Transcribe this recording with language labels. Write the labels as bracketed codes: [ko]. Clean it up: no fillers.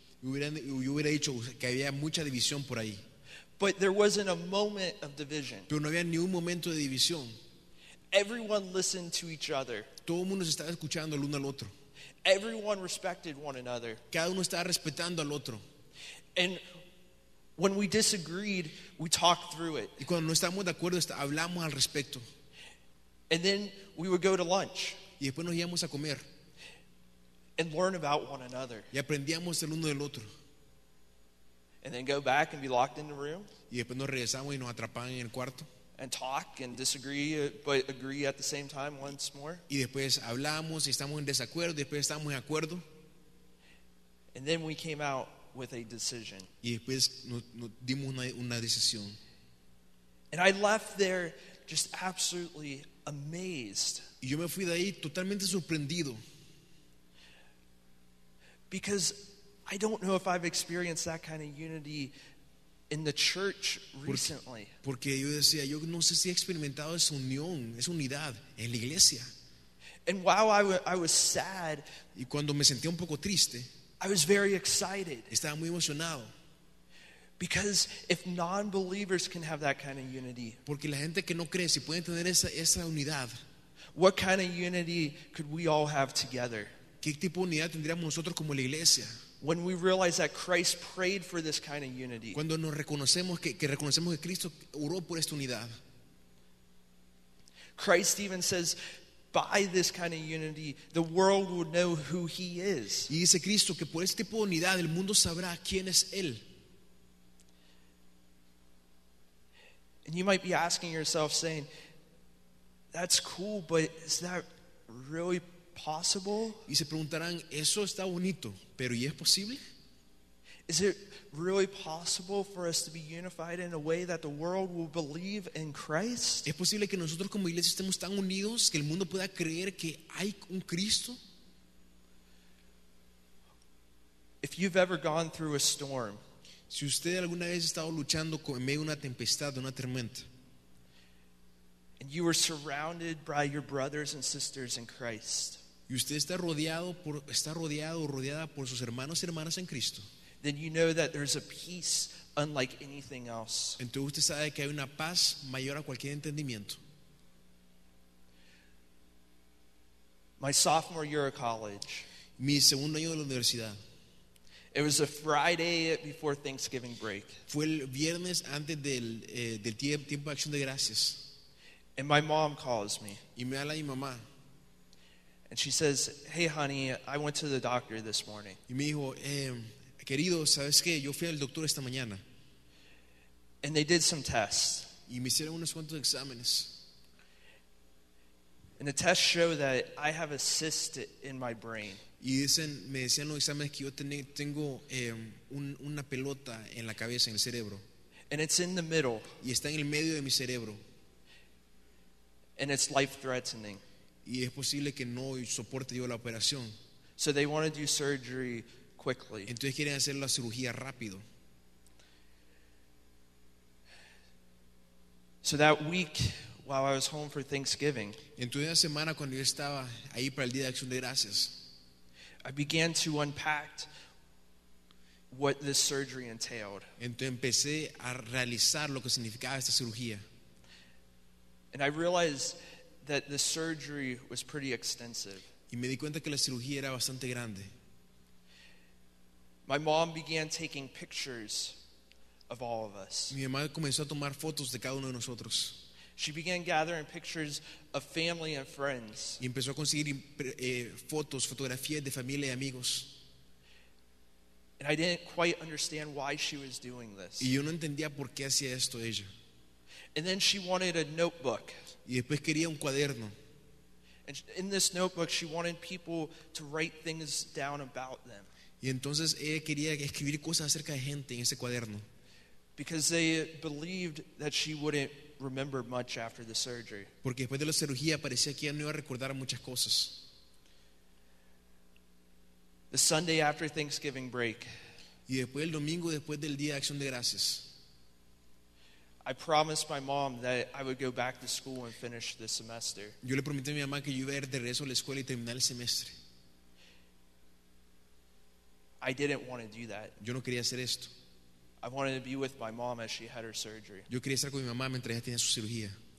[es] Yo hubiera dicho que había mucha división por ahí. [en] But there wasn't a moment of division. [es] Pero no había ni un momento de división. [en] Everyone listened to each other. [es] Todo el mundo se estaba escuchando el uno al otro. [en] Everyone respected one another. [es] Cada uno estaba respetando al otro. [en] And when we disagreed, we talked through it. [es] Y cuando no estábamos de acuerdo, hablamos al respecto. [en] And then we would go to lunch. [es] Y después nos íbamos a comer. [en] And learn about one another. [es] Y aprendíamos el uno del otro. [en] And then go back and be locked in the room. [es] Y después nos regresamos y nos atrapaban en el cuarto. [en] and talk and disagree, but agree at the same time once more. [es] Y después hablamos, estamos en desacuerdo, después estamos en acuerdo. [en] And then we came out with a decision. [es] Y después nos dimos una decisión. [en] And I left there just absolutely amazed. [es] Y yo me fui de ahí totalmente sorprendido. [en] Because I don't know if I've experienced that kind of unity in the church recently. [es] Porque yo decía, yo no sé si he experimentado esa unión, esa unidad en la iglesia. [en] And while I was sad, [es] y cuando me sentía un poco triste, [en] I was very excited. [es] Estaba muy emocionado. [en] Because if non-believers can have that kind of unity, [es] porque la gente que no cree si pueden tener esa unidad, [en] what kind of unity could we all have together? [es] ¿Qué tipo de unidad tendríamos nosotros como la iglesia? [en] When we realize that Christ prayed for this kind of unity. [es] Cuando nos reconocemos que reconocemos que Cristo oró por esta unidad. [en] Christ even says, by this kind of unity, the world would know who he is. [es] Y dice Cristo que por este tipo de unidad el mundo sabrá quién es él. [en] And you might be asking yourself, saying, that's cool, but is that really possible? [es] Y se preguntarán, eso está bonito, pero ¿y es posible? [en] Is it really possible for us to be unified in a way that the world will believe in Christ? [es] ¿Es posible que nosotros como iglesia estemos tan unidos que el mundo pueda creer que hay un Cristo? [en] If you've ever gone through a storm, [es] si usted alguna vez ha estado luchando en medio de una tempestad, de una tormenta, [en] and you were surrounded by your brothers and sisters in Christ, [es] y usted está rodeado por sus hermanos y hermanas en Cristo, [en] then you know that there's a peace unlike anything else. [es] Entonces usted sabe que hay una paz mayor a cualquier entendimiento. [en] My sophomore year of college, [es] mi segundo año de la universidad, [en] it was a Friday before Thanksgiving break. [es] Fue el viernes antes del tiempo de Acción de Gracias. [en] And my mom calls me. [es] Y me habla mi mamá. [en] And she says, "Hey, honey, I went to the doctor this morning." [es] Y me dijo, querido, ¿sabes qué? Yo fui al doctor esta mañana. [en] And they did some tests. [es] Y me hicieron unos cuantos exámenes. [en] And the tests show that I have a cyst in my brain. [es] Y dicen, me decían los exámenes que yo tengo una pelota en la cabeza, en el cerebro. [en] And it's in the middle. [es] Y está en el medio de mi cerebro. [en] And it's life-threatening. [es] Y es posible que no soporte yo la operación. [en] So they want to do surgery quickly. [es] Entonces quieren hacer la cirugía rápido. [en] So that week, while I was home for Thanksgiving, [es] entonces esa semana cuando yo estaba ahí para el Día de Acción de Gracias, [en] I began to unpack what this surgery entailed. [es] Entonces empecé a realizar lo que significaba esta cirugía. [en] And I realized that the surgery was pretty extensive. [es] Y me di cuenta que la cirugía era bastante grande. [en] My mom began taking pictures of all of us. [es] Mi mamá comenzó a tomar fotos de cada uno de nosotros. [en] She began gathering pictures of family and friends. [es] Y empezó a conseguir fotografías de familia y amigos. [en] And I didn't quite understand why she was doing this. [es] Y yo no entendía por qué hacía esto ella. [en] And then she wanted a notebook. [es] Y después quería un cuaderno. [en] And in this notebook, she wanted people to write things down about them. [es] Y entonces ella quería escribir cosas acerca de gente en ese cuaderno. [en] Because they believed that she wouldn't remember much after the surgery. [es] Porque después de la cirugía parecía que ya no iba a recordar muchas cosas. [en] The Sunday after Thanksgiving break. [es] Y después el domingo después del Día de Acción de Gracias. [en] I promised my mom that I would go back to school and finish the semester. [es] Yo le prometí a mi mamá que yo iba a ir de regreso a la escuela y terminar el semestre. [en] I didn't want to do that. [es] Yo no quería hacer esto. [en] I wanted to be with my mom as she had her surgery. [es] Yo quería estar con mi mamá mientras ella tenía su cirugía.